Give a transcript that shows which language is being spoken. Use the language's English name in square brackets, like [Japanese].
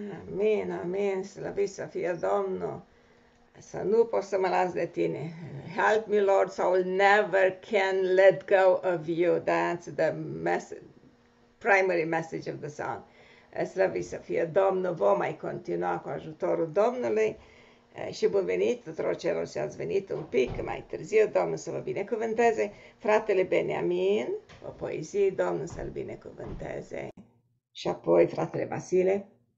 [Romanian] Amin, amin, slăvit să fie Domnul, să nu pot să mă las de tine. [English] Help me, Lord, so I'll never can let go of you. That's the message, primary message of the song. [Romanian] Slăvit să fie Domnul, vom mai continua cu ajutorul Domnului și bun venit tuturor celor și ați venit un pic mai târziu. Domnul să vă binecuvânteze. Fratele Beniamin, o poezie, Domnul să-l binecuvânteze. Și apoi fratele Vasile.